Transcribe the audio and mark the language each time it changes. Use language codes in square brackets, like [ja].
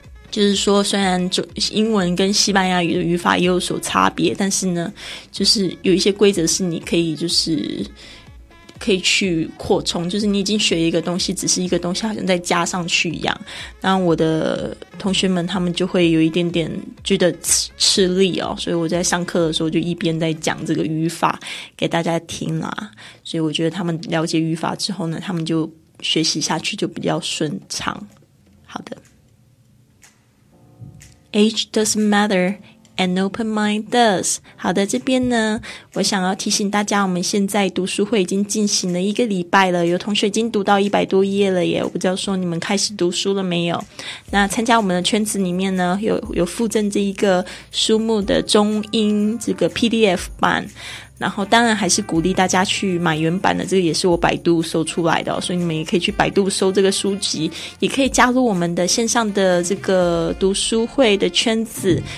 [zh] 就是说虽然英文跟西班牙语的语法也有所差别，但是呢就是有一些规则是你可以就是可以去扩充，就是你已经学一个东西只是一个东西好像再加上去一样，那我的同学们他们就会有一点点觉得 吃力哦，所以我在上课的时候就一边在讲这个语法给大家听啦，所以我觉得他们了解语法之后呢他们就学习下去就比较顺畅。 [en] 好的，Age doesn't matter, an open mind does. [zh] 好的，这边呢，我想要提醒大家，我们现在读书会已经进行了一个礼拜了，有同学已经读到100多页了耶，我不知道说你们开始读书了没有。那参加我们的圈子里面呢，有附赠这一个书目的中英这个 PDF 版，然后当然还是鼓励大家去买原版的，这个也是我百度搜出来的、哦、所以你们也可以去百度搜这个书籍，也可以加入我们的线上的这个读书会的圈子。